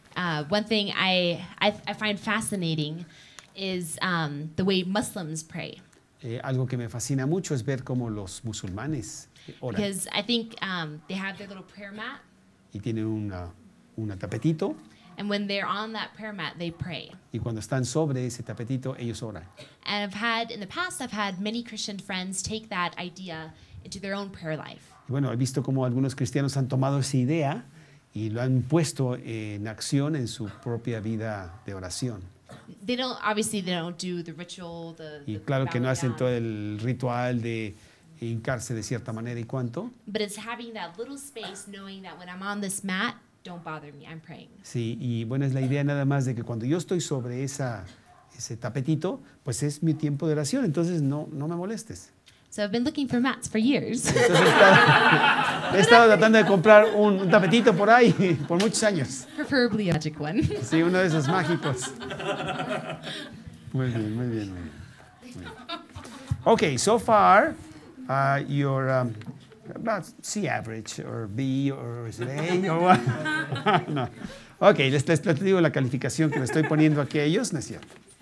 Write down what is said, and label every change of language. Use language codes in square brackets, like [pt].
[en] One thing I find fascinating is the way Muslims pray. [es] Algo que me fascina mucho es ver cómo los musulmanes oran. [en] Because I think they have their little prayer mat. [es] Y tienen una tapetito. [en] And when they're on that prayer mat, they pray. [es] Y cuando están sobre ese tapetito, ellos oran. [en] And in the past I've had many Christian friends take that idea into their own prayer life. [es] Y bueno, he visto cómo algunos cristianos han tomado esa idea y lo han puesto en acción en su propia vida de oración. [en] They don't do the ritual, [es] y claro que no hacen todo el ritual de hincarse de cierta manera y cuánto. [en] But it's having that little space, knowing that when I'm on this mat, don't bother me, I'm praying. [es] Sí, y bueno, es la idea nada más de que cuando yo estoy sobre esa, ese tapetito, pues es mi tiempo de oración, entonces no, no me molestes. [en] So I've been looking for mats for years. [es] He estado tratando de comprar un tapetito por ahí por muchos años. [en] Preferably a magic one. [es] Sí, uno de esos mágicos. Muy bien, muy bien, muy bien. [en] Okay, so far, you're about C average or B or is it A or what? No. [es] Okay, les digo la calificación que le estoy poniendo aquí a ellos, ¿no es cierto?